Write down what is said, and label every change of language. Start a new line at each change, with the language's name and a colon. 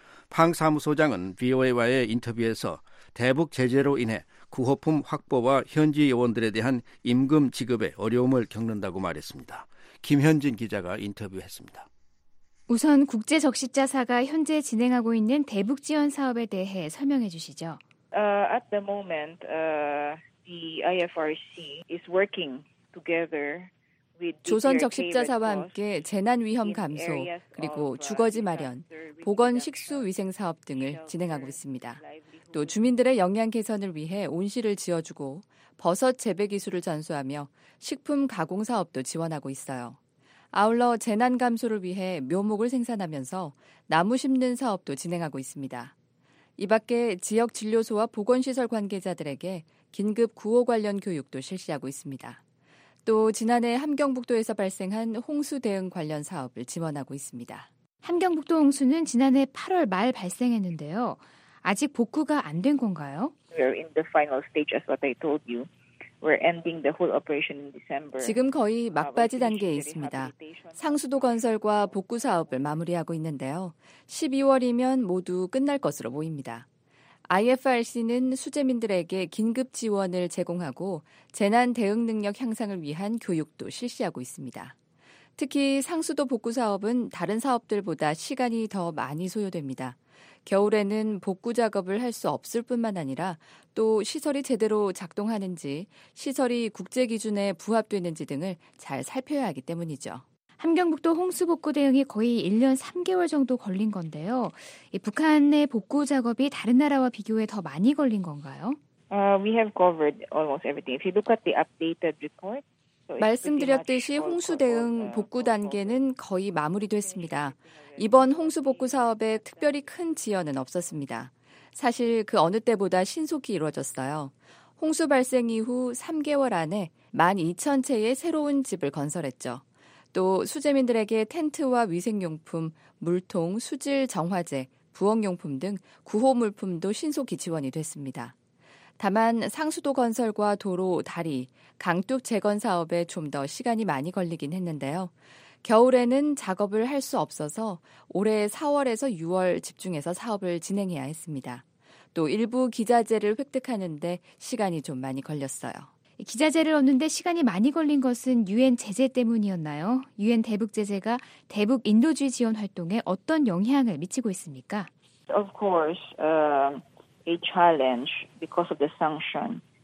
Korean: 팡 사무소장은 BOA와의 인터뷰에서 대북 제재로 인해 구호품 확보와 현지 요원들에 대한 임금 지급에 어려움을 겪는다고 말했습니다. 김현진 기자가 인터뷰했습니다. 우선 국제적십자사가 현재 진행하고 있는 대북 지원 사업에 대해 설명해 주시죠.
English: At the moment, the IFRC is working together.
Korean: 조선적십자사와 함께 재난위험 감소, 그리고 주거지 마련, 보건 식수 위생 사업 등을 진행하고 있습니다. 또 주민들의 영양 개선을 위해 온실을 지어주고 버섯 재배 기술을 전수하며 식품 가공 사업도 지원하고 있어요. 아울러 재난 감소를 위해 묘목을 생산하면서 나무 심는 사업도 진행하고 있습니다. 이 밖에 지역 진료소와 보건시설 관계자들에게 긴급 구호 관련 교육도 실시하고 있습니다. 또 지난해 함경북도에서 발생한 홍수 대응 관련 사업을 지원하고 있습니다. 함경북도 홍수는 지난해 8월 말 발생했는데요. 아직 복구가 안 된 건가요?
English: We're in the final stage as what I told you. We're ending the whole operation in December.
Korean: 지금 거의 막바지 단계에 있습니다. 상수도 건설과 복구 사업을 마무리하고 있는데요. 12월이면 모두 끝날 것으로 보입니다. IFRC는 수재민들에게 긴급 지원을 제공하고 재난 대응 능력 향상을 위한 교육도 실시하고 있습니다. 특히 상수도 복구 사업은 다른 사업들보다 시간이 더 많이 소요됩니다. 겨울에는 복구 작업을 할 수 없을 뿐만 아니라 또 시설이 제대로 작동하는지, 시설이 국제 기준에 부합되는지 등을 잘 살펴야 하기 때문이죠. 함경북도 홍수 복구 대응이 거의 1년 3개월 정도 걸린 건데요. 이 북한의 복구 작업이 다른 나라와 비교해 더 많이 걸린 건가요?
English: We have covered almost everything. If you look at the updated report.
Korean: 말씀드렸듯이 홍수 대응 복구 단계는 거의 마무리됐습니다. 이번 홍수 복구 사업에 특별히 큰 지연은 없었습니다. 사실 그 어느 때보다 신속히 이루어졌어요. 홍수 발생 이후 3개월 안에 12,000채의 새로운 집을 건설했죠. 또 수재민들에게 텐트와 위생용품, 물통, 수질 정화제, 부엌용품 등 구호물품도 신속히 지원이 됐습니다. 다만 상수도 건설과 도로, 다리, 강둑 재건 사업에 좀 더 시간이 많이 걸리긴 했는데요. 겨울에는 작업을 할 수 없어서 올해 4월에서 6월 집중해서 사업을 진행해야 했습니다. 또 일부 기자재를 획득하는 데 시간이 좀 많이 걸렸어요. 기자재를 얻는데 시간이 많이 걸린 것은 유엔 제재 때문이었나요? 유엔 대북 제재가 대북 인도주의 지원 활동에 어떤 영향을 미치고 있습니까?
English: Of course, a challenge because of the sanction.